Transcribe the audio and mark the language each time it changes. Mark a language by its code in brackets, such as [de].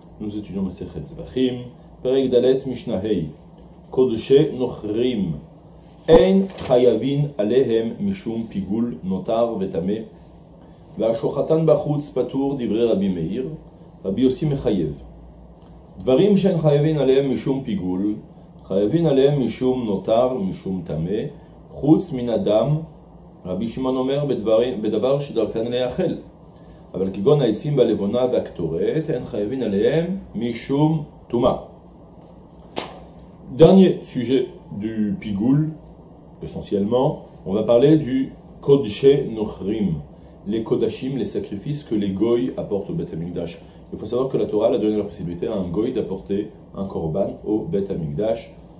[fr] Nous étudions [he] Maserhet Zvachim, Perek Dalet, Mishnahei, Kodeshe, Nochrim, Ein, Chayavin, Alehem, Mishum, Pigul, Notar, Vetame, והשוחתן בחוץ פטור דברי רבי מאיר, רבי יוסי מחייב. דברים שאין חייבין עליהם משום פיגול, חייבין עליהם משום נותר, משום תמה, חוץ מן אדם, רבי שמעון אומר בדבר שדרכן להיאכל. אבל כגון העצים והלבונה והקטורת, אין חייבין עליהם משום תומה. [fr] Dernier sujet du pigoul, essentiellement, on va parler du kodshe nochrim. Les kodashim, les sacrifices que les goy apportent au Beth Amikdash. Il faut savoir que la Torah a donné la possibilité à un goy d'apporter un korban au Beth Amikdash.